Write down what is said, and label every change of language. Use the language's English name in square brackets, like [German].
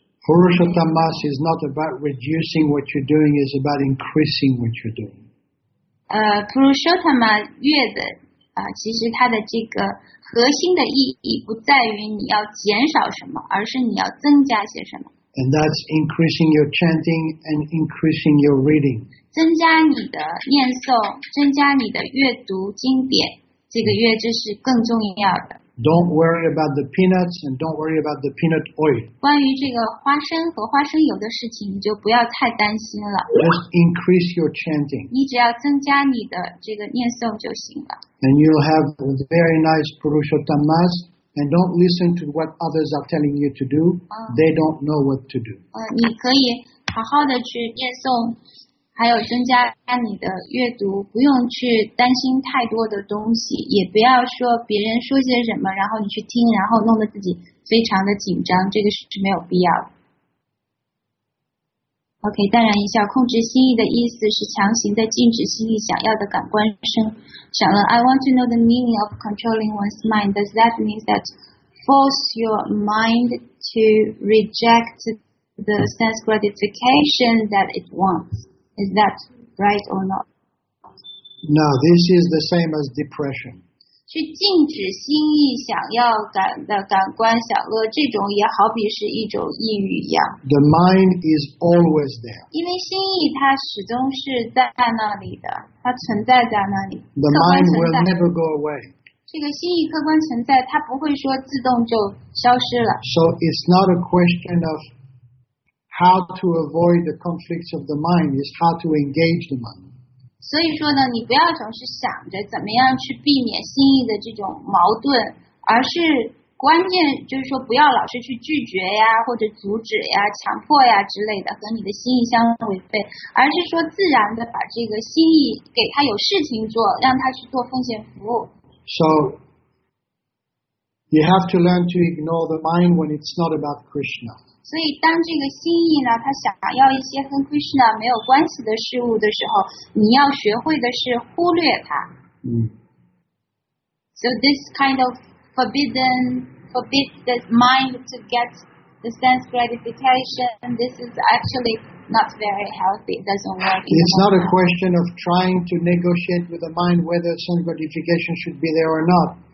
[English] Purushottama is not about reducing what you're doing, it's about increasing what you're doing. [Chinese] Purushottama 月的其实它的这个核心的意义不在于你要减少什么，而是你要增加些什么。 [English] And that's increasing your chanting and increasing your reading. [Chinese] 增加你的念诵，增加你的阅读经典，这个月这是更重要的。 [English] Don't worry about the peanuts and don't worry about the peanut oil. [Chinese] 关于这个花生和花生油的事情，你就不要太担心了。 [English] Just increase your chanting. [Chinese] 你只要增加你的这个念诵就行了。 [English] And you'll have a very nice Purushottamas. And don't listen to what others are telling you to do. They don't know what to do. [Chinese] 你可以好好的去念诵，还有增加你的阅读，不用去担心太多的东西，也不要说别人说些什么，然后你去听，然后弄得自己非常的紧张，这个是没有必要的。 OK， 淡然一笑，控制心意的意思是强行的禁止心意想要的感官声。想了 [English] ，I want to know the meaning of controlling one's mind. Does that mean that force your mind to reject the sense gratification that it wants? Is that right or not? No, this is the same as depression. [Chinese] 去禁止心意想要的感官享乐，这种也好比是一种抑郁一样。 [English] The mind is always there. [Chinese] 因为心意它始终是在那里的，它存在在那里。 [English] The mind will never go away. [Chinese] 这个心意客观存在，它不会说自动就消失了。 [English] So it's not a question of. How to avoid the conflicts of the mind is how to engage the mind. [Chinese] 所以说呢，你不要总是想着怎么样去避免心意的这种矛盾，而是关键就是说不要老是去拒绝呀，或者阻止呀、强迫呀之类的，和你的心意相违背，而是说自然的把这个心意给他有事情做，让他去做奉献服务。 [English] So you have to learn to ignore the mind when it's not about Krishna. [Chinese] 所以当这个心意呢，他想要一些跟 Krishna 没有关系的事物的时候，你要学会的是忽略它。 [English] So this kind of forbid the mind to get the sense gratification, this is actually not very healthy. It doesn't work. It's not a question of trying to negotiate with the mind whether sense gratification should be there or not.